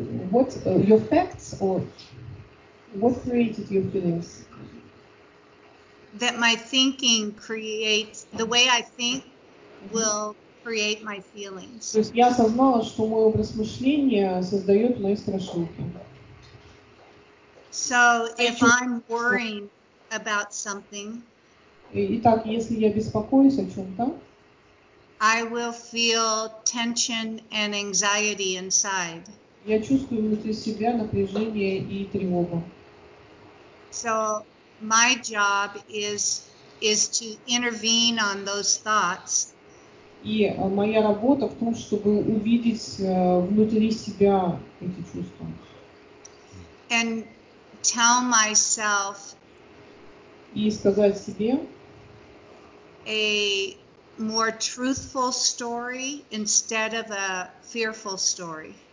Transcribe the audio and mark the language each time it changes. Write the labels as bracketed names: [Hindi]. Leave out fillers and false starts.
[English] What your facts or what created your feelings? That my thinking creates the way I think will create my feelings. [Russian] То есть я осознала, что мой образ мышления создает мои страшилки. [English] So if I'm worrying about something, [Russian] итак, если я беспокоюсь о чем-то, [English] I will feel tension and anxiety inside. [Russian] Я чувствую внутри себя напряжение и тревогу. [English] So my job is to intervene on those thoughts. [Russian] И моя работа в том, чтобы увидеть внутри себя эти чувства. [English] And tell myself. [Russian] И сказать себе. [English] A more truthful story instead of a fearful story.